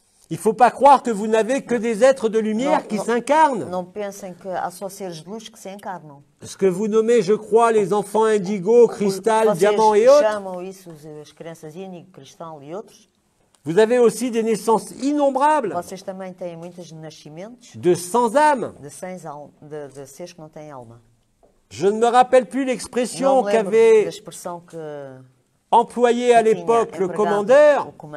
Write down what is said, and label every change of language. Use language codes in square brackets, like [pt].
[fr] Il ne faut pas croire que vous n'avez que des êtres de lumière non, qui s'incarnent. [pt] Não pensem que há só seres de luz que se encarnam. [fr] Ce que vous nommez, je crois, les enfants indigo, cristal, diamant et autres. [pt] Chamam isso as crianças índigo, cristal e outros. [fr] Vous avez aussi des naissances innombrables. [pt] Vocês também têm muitos nascimentos. [fr] De sans âme. [pt] De seres que não têm alma. [fr] Je ne me rappelle plus l'expression qu'avait. [pt] Da expressão que [fr] employé à l'époque le commandeur.